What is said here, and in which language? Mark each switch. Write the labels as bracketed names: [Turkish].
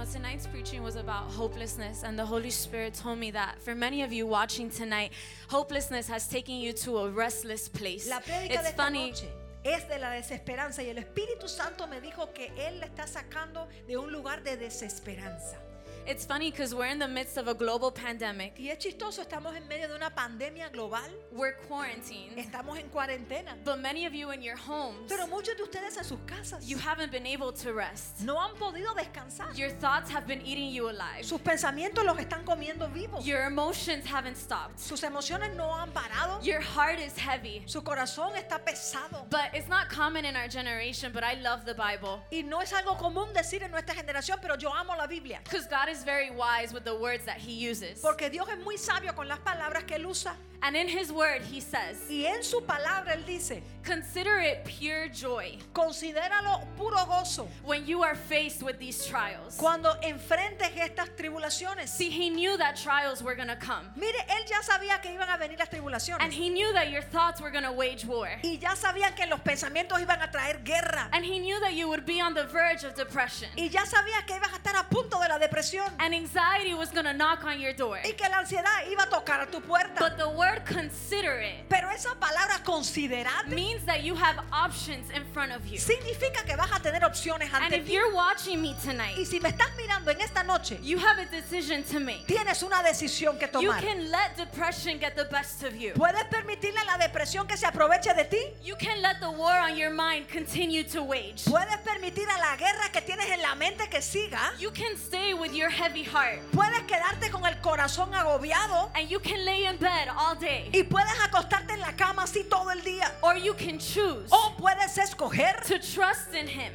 [English] know, tonight's preaching was about hopelessness, and the Holy Spirit told me that for many of you watching tonight, hopelessness has taken you to a restless place. [Spanish] La predica [English] it's [Spanish] de esta [English] funny. [Spanish] Noche. Es de la desesperanza y el Espíritu Santo me dijo que él la está sacando de un lugar de desesperanza. [English] It's funny because we're in the midst of a global pandemic. [Spanish] Y es chistoso, estamos en medio de una pandemia global. [English] We're quarantined. [Spanish] Estamos en cuarentena. [English] But many of you in your homes. [Spanish] Pero muchos de ustedes en sus casas. [English] You haven't been able to rest. [Spanish] No han podido descansar. [English] Your thoughts have been eating you alive. [Spanish] Sus pensamientos los están comiendo vivos. [English] Your emotions haven't stopped. [Spanish] Sus emociones no han parado. [English] Your heart is heavy. [Spanish] Su corazón está pesado. [English] But it's not common in our generation, but I love the Bible. [Spanish] Y no es algo común decir en nuestra generación, pero yo amo la Biblia. [English] Because God is very wise with the words that he uses. [Spanish] Porque Dios es muy sabio con las palabras que él usa. [English] And in his word he says, [Spanish] y en su palabra él dice, [English] consider it pure joy. [Spanish] Considéralo puro gozo. [English] When you are faced with these trials. [Spanish] Cuando enfrentes estas tribulaciones. [English] See, he knew that trials were going to come. [Spanish] Mire, él ya sabía que iban a venir las tribulaciones. [English] And he knew that your thoughts were going to wage war. [Spanish] Y ya sabía que los pensamientos iban a traer guerra. [English] And he knew that you would be on the verge of depression. [Spanish] Y ya sabía que ibas a estar a punto de la depresión. [English] And anxiety was going to knock on your door. [Spanish] Y que la ansiedad iba a tocar a tu puerta. [English] But the word consider it. [Spanish] Pero esa palabra considerar [English] means that you have options in front of you. [Spanish] Significa que vas a tener opciones ante ti. [English] And if you're watching me tonight, [Spanish] y si me estás mirando en esta noche, [English] you have a decision to make. [Spanish] Tienes una decisión que tomar. [English] You can let depression get the best of you. [Spanish] Puedes permitirle a la depresión que se aproveche de ti. [English] You can let the war on your mind continue to wage. [Spanish] Puedes permitir a la guerra que tienes en la mente que siga. [English] You can stay with your heavy heart. [Spanish] Puedes quedarte con el corazón agobiado. [English] And you can lay in bed all [Spanish] y puedes acostarte en la cama así todo el día. [English] Or you can choose. [Spanish] O puedes escoger [English] to trust in him.